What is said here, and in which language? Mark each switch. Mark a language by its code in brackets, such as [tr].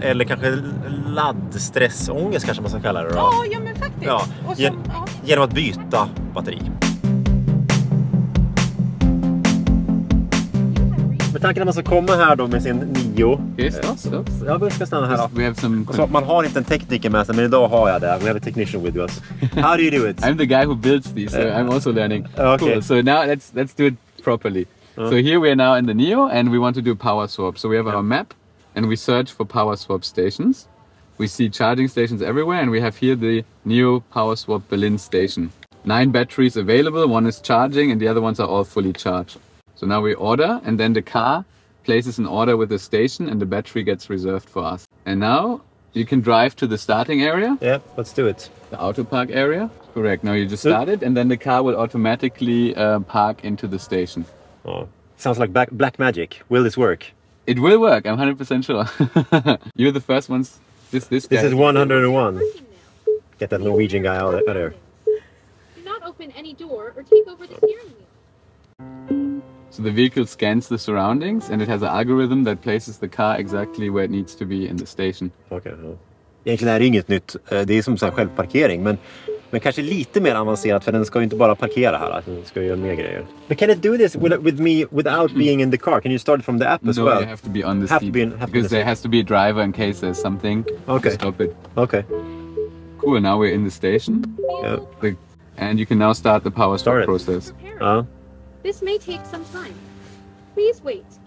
[sv] Eller kanske laddstressångest kanske man ska kalla det då. Ja, ja men faktiskt. Ja. Genom att byta batteri. Med tanken att man ska komma här då med sin NIO. Just det. Jag ska stanna här då. Så, man har inte en tekniker med sig, men idag har jag det. [en] We have a technician with us. How do you do it? I'm the guy who builds these, so I'm also learning. Okay. Cool. So now let's do it properly. So here we are now in the NIO and we want to do power swap. So we have our map and we search for power swap stations. We see charging stations everywhere and we have here the NIO power swap Berlin station. 9 batteries available, one is charging and the other ones are all fully charged. So now we order and then the car places an order with the station and the battery gets reserved for us. And now you can drive to the starting area. Yeah, let's do it. The auto park area. Correct. Now you just start it and then the car will automatically park into the station. Oh, sounds like black magic. Will this work? It will work. I'm 100% sure. You're the first ones. This guy. Is 101. Get that Norwegian guy out of there. Do not open any door or take over the steering wheel. So the vehicle scans the surroundings and it has an algorithm that places the car exactly where it needs to be in the station. Okay. [sv] Egentligen är det inget nytt. Det är som så här självparkering, men kanske lite mer avancerat, för den ska ju inte bara parkera här, den ska göra mer grejer. [en] But can it do this with me without being in the car? Can you start from the app as no, well? No, you have to be on the seat. Because there has to be a driver in case there's something okay. to stop it. Okay. Cool, now we're in the station. Yep. And you can now start the power swap process. This may take some time. Please wait.